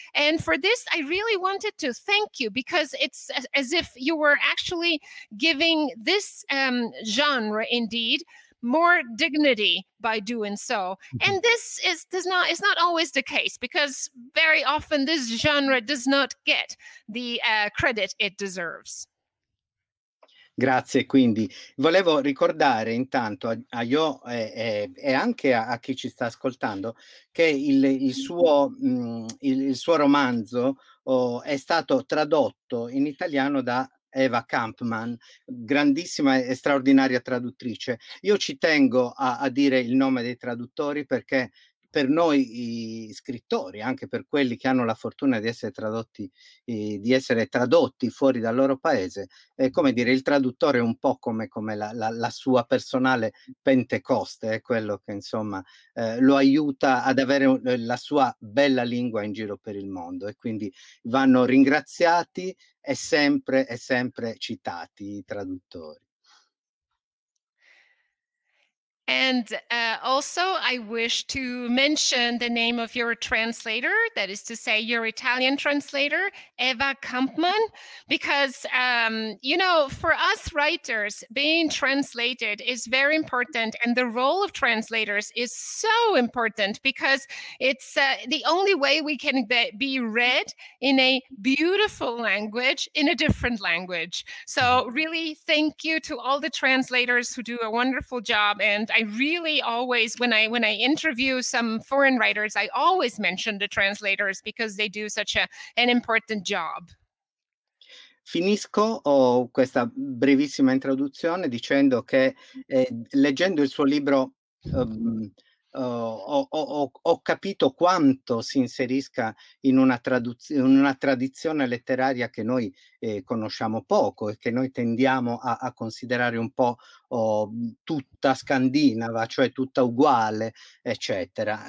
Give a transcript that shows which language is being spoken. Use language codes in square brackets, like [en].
[en] And for this, I really wanted to thank you because it's as if you were actually giving this genre indeed more dignity by doing so. And this is does not is not always the case because very often this genre does not get the credit it deserves. [it] Grazie, quindi volevo ricordare intanto a Io e anche a chi ci sta ascoltando che il suo romanzo è stato tradotto in italiano da Eva Kampmann, grandissima e straordinaria traduttrice. Io ci tengo a dire il nome dei traduttori perché per noi scrittori, anche per quelli che hanno la fortuna di essere tradotti fuori dal loro paese, è come dire, il traduttore è un po' come la sua personale Pentecoste, è quello che insomma lo aiuta ad avere la sua bella lingua in giro per il mondo. E quindi vanno ringraziati e sempre citati i traduttori. [en] And also, I wish to mention the name of your translator, that is to say, your Italian translator, Eva Kampmann, because, for us writers, being translated is very important. And the role of translators is so important because it's the only way we can be read in a beautiful language, in a different language. So, really, thank you to all the translators who do a wonderful job. And I really always when I interview some foreign writers, I always mention the translators because they do such an important job. [it] Finisco questa brevissima introduzione dicendo che leggendo il suo libro ho capito quanto si inserisca in una tradizione letteraria che noi conosciamo poco e che noi tendiamo a considerare un po' tutta scandinava, cioè tutta uguale, eccetera.